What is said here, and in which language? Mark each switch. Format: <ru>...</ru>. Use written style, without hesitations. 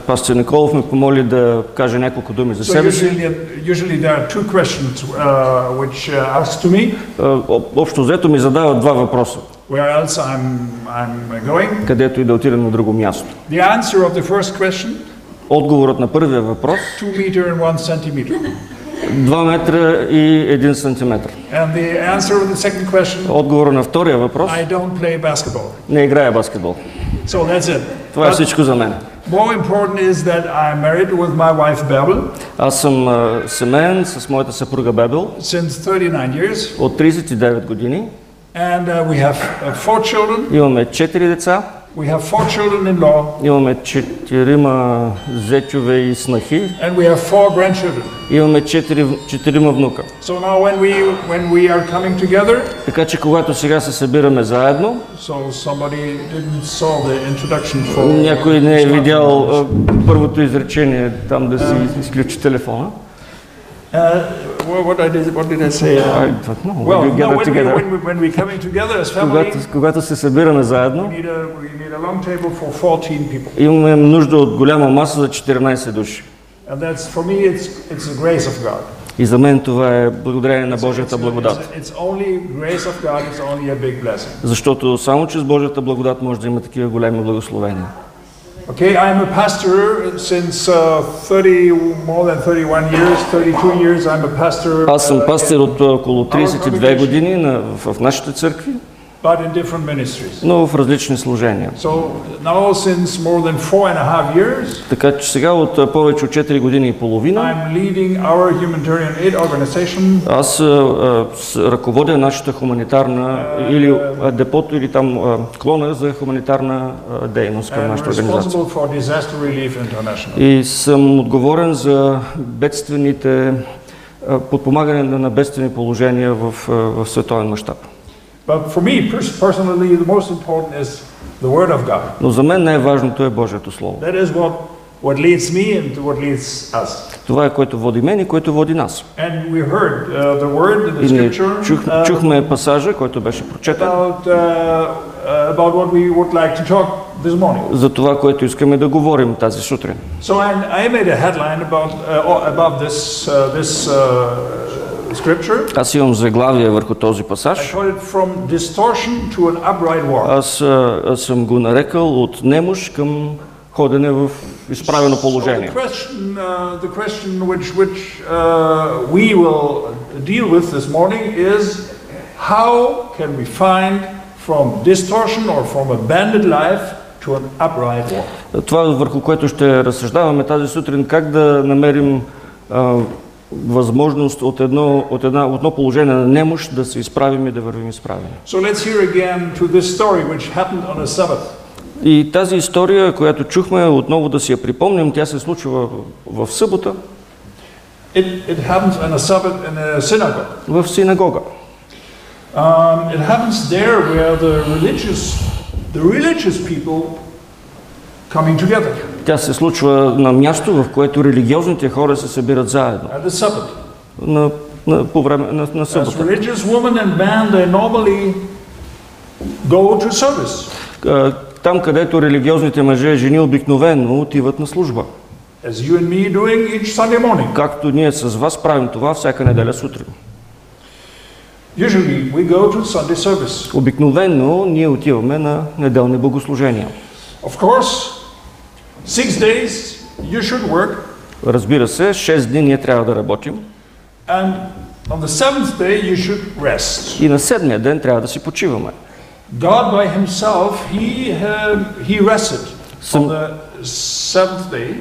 <bg>Пастор Николов ме помоли да кажа няколко думи за себе си.</bg> <en>Usually there are two questions which asked to me.</en> <bg>Общо взето ми задават два въпроса.</bg> <en>Where else I'm going?</en> <bg>Където и да отида на друго място.</bg> <en>The answer of the first question.</en> <bg>Отговорът на първия въпрос.</bg> <en>2 meter and 1 centimeter.</en> <bg>2 метра и 1 сантиметр.</bg> <en>And the answer to the second question.</en> <bg>Отговор на втория въпрос.</bg> <en>I don't play basketball.</en> <bg>Не играя баскетбол.</bg> <en>So that's it.</en> <bg>Това е всичко за мен.</bg> <en>More important is that I'm married with my wife Babel.</en> <bg>Аз съм семеен с моята съпруга Бебел.</bg> <en>Since 39 years.</en> <bg>От 39 години.</bg> <en>And we have 4 children.</en> <bg>Имаме 4 деца.</bg> <en>We have 4 children in law.</en> <bg>Имаме 4 зечове и снахи.</bg> <en>And we have 4 grandchildren.</en> <bg>Имаме 4 внука.</bg> <en>So now when we are coming together.</en> <bg>Така че когато сега се събираме заедно.</bg> <en>So somebody didn't saw the introduction for.</en> <bg>Някой не е видял първото изречение там да си изключи телефона.</bg> <en>What did I say? I don't know. Well, you get no, it together. When we coming together as family.</en> <bg>Когато се събираме заедно.</bg> <en>We need a long table for 14 people.</en> <bg>Имаме нужда от голяма маса за 14 души.</bg> <en>And that's for me it's the grace of God.</en> <bg>И за мен това е благодарение на Божията благодат.</bg> <en>It's only a big blessing.</en> <bg>Защото само чрез Божията благодат може да има такива големи благословения.</bg> <en>Okay, I'm a pastor since 30 more than 31 years, 32 years I'm a pastor.</en> <bg>Аз съм пастор от около 32 години в нашите църкви.</bg> <en>But in different ministries.</en> <bg>Но в различни служения.</bg> <en>So now since more than 4.5 years.</en> <bg>Така че сега от повече от 4 години и половина.</bg> <en>I'm leading our humanitarian aid organization.</en> <bg>Аз ръководя нашата хуманитарна или депото или там клона за хуманитарна дейност към нашата организация.</bg> <en>Responsible for disaster relief international.</en> <bg>И съм отговорен за бедствените подпомагане на бедствени положения в световен мащаб.</bg> <en>But for me personally the most important is the word of God.</en> <bg>Но за мен най-важното е Божието слово.</bg> <en>That is what leads me and what leads us.</en> <bg>Това е което води мен и което води нас.</bg> <en>And we heard the word the scripture.</en> <bg>Чухме пасажа, който беше прочетен.</bg> <en>About what we would like to talk this morning.</en> <bg>За това, което искаме да говорим тази сутрин.</bg> <en>So I made a headline about this scripture.</en> <bg>Аз имам заглавие върху този пасаж.</bg> <en>I call it from distortion to an upright walk.</en> <bg>Аз съм го нарекал от немощ към ходене в изправено положение.</bg> <en>So the question which we will deal with this morning is how can we find from distortion or from a bended life to an upright walk.</en> <bg>Това върху което ще разсъждаваме тази сутрин, как да намерим възможност от едно положение на немощ да се изправим и да вървим изправени.</bg> <en>So let's hear again to this story which happened on a Sabbath.</en> <bg>И тази история, която чухме, отново да си я припомним, тя се случва в събота.</bg> <en>It happens on a Sabbath in a synagogue.</en> <bg>В синагога.</bg> <en>It happens there where the religious people coming together.</en> <bg>тя се случва на място, в което религиозните хора се събират заедно. На събота.</bg> <en>As religious women and men, they normally go to service.</en> <bg>Там, където религиозните мъже и жени обикновено отиват на служба.</bg> <en>As you and me doing each Sunday morning.</en> <bg>Както ние с вас правим това всяка неделя сутрин.</bg> <en>Usually we go to Sunday service.</en> <bg>Обикновено ние отиваме на неделни богослужения.</bg> <en>Of course, 6 days you should work.</en> <bg>Разбира се, 6 дни ние трябва да работим.</bg> <en>And on the seventh day you should rest.</en> <bg>И на седмия ден трябва да си почиваме.</bg> <en>God by himself, he rested on the seventh day.</en>